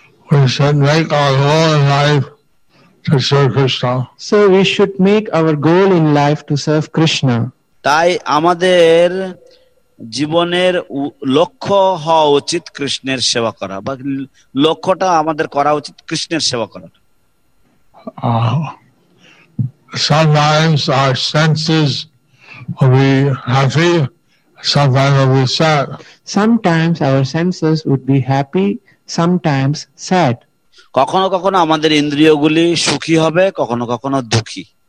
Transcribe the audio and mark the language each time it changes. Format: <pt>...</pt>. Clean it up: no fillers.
<en>We should make our goal in life to serve Krishna. So we should make our goal in life to serve Krishna.</en> <bn>তাই আমাদের জীবনের লক্ষ্য হওয়া উচিত কৃষ্ণের সেবা করা, বা লক্ষ্যটা আমাদের করা উচিত কৃষ্ণের সেবা করার।</bn> <en>Sometimes our senses will be happy, sometimes will be sad. Sometimes our senses would be happy, sometimes sad.</en> <bn>কখনো কখনো আমাদের ইন্দ্রিয়গুলি সুখী হবে, কখনো কখনো দুঃখী।</bn>